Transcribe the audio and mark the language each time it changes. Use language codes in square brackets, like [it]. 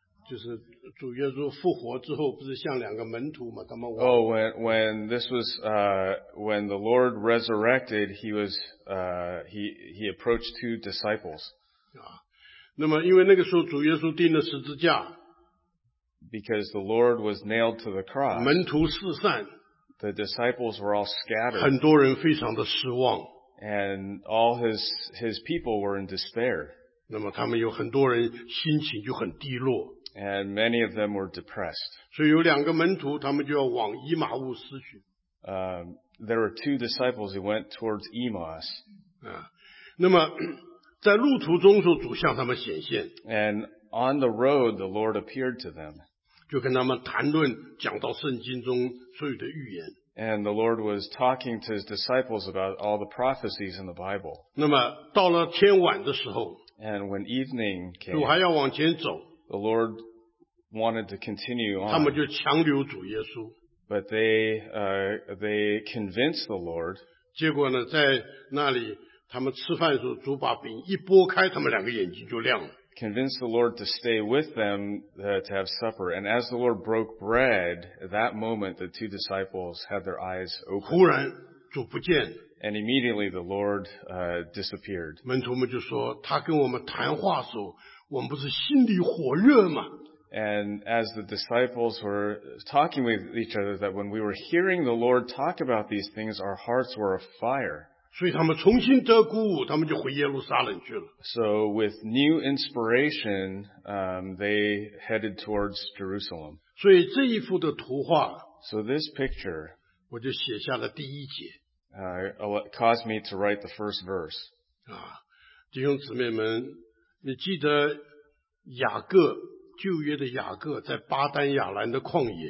[zh] 就是主耶稣复活之后不是像两个门徒吗？他们我。 [en] Oh, when this was, when the Lord resurrected, he was, he approached two disciples. [zh] 那么因为那个时候主耶稣钉了十字架 [en] Because the Lord was nailed to the cross [zh] 门徒四散 [en] The disciples were all scattered [zh] 很多人非常的失望 [en] And all his people were in despair [zh] 那么他们有很多人心情就很低落 [en] And many of them were depressed [zh] 所以有两个门徒他们就要往以马忤斯去 [en] There were two disciples who went towards Emmaus [zh] 那么在路途中时候主向他们显现 [en] And on the road the Lord appeared to them [zh] 就跟他们谈论讲到圣经中所有的预言 [en] And the Lord was talking to his disciples about all the prophecies in the Bible [zh] 那么到了天晚的时候 [en] And when evening came [zh] 主还要往前走 [en] The Lord wanted to continue on [zh] 他们就强留主耶稣 [en] But they convinced the Lord [zh] 结果呢在那里他们吃饭的时候主把饼一拨开他们两个眼睛就亮了。 [en] Convince the Lord to stay with them to have supper. And as the Lord broke bread, that moment the two disciples had their eyes open. [zh] 忽然主不见了。 [en] And immediately the Lord disappeared. [zh] 门徒们就说他跟我们谈话的时候我们不是心里火热吗 [en] And as the disciples were talking with each other, that when we were hearing the Lord talk about these things, our hearts were afire. [zh] 所以他们重新得鼓舞, [en] so with new inspiration, they headed towards Jerusalem. [zh] 所以这一幅的图画, [en] so this picture [zh] 我就写下了第一节, [en] caused me to write the first verse. [zh] 啊, 弟兄姊妹们, 你记得雅各, 旧约的雅各在巴丹亚兰的旷野,